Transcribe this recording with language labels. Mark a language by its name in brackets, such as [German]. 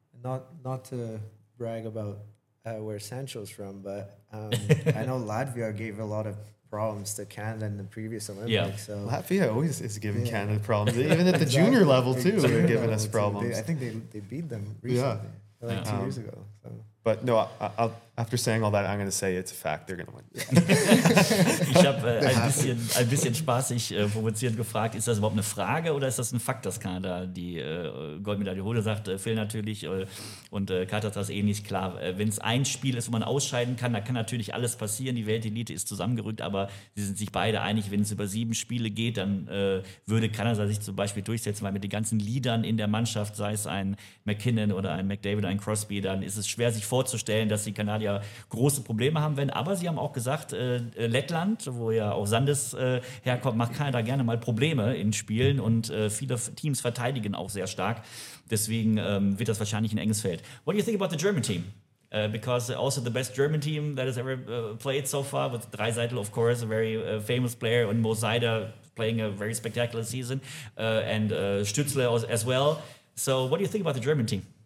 [English] not to brag about where Sancho's from, but I know Latvia gave a lot of problems to Canada in the previous Olympics. Yeah. So Latvia always is giving Canada problems, even at the junior level too. They're giving us problems. I think they beat them recently, 2 years ago. So. But no, I'll, after saying all that, I'm going to say it's a fact. They're going to win. [German] Ich habe ein bisschen spaßig provoziert gefragt, ist das überhaupt eine Frage oder ist das ein Fakt, dass Kanada die Goldmedaille holt? Sagt Phil natürlich und Kat hat das ähnlich klar. Wenn es ein Spiel ist, wo man ausscheiden kann, da kann natürlich alles passieren. Die Weltelite ist zusammengerückt, aber sie sind sich beide einig, wenn es über 7 Spiele geht, dann würde Kanada sich zum Beispiel durchsetzen, weil mit den ganzen Leadern in der Mannschaft, sei es ein MacKinnon oder ein McDavid oder ein Crosby, dann ist es schwer, sich vorzustellen, dass die Kanadier große Probleme haben werden. Aber sie haben auch gesagt, Lettland, wo ja auch Sandis herkommt, macht Kanada gerne mal Probleme in Spielen und viele Teams verteidigen auch sehr stark. Deswegen wird das wahrscheinlich ein enges Feld. [English] What do you think about the German team? Because also the best German team that has ever played so far, with Dreiseitel, of course, a very famous player, and Mo Seider playing a very spectacular season, and Stützle as well. So what do you think about the German team?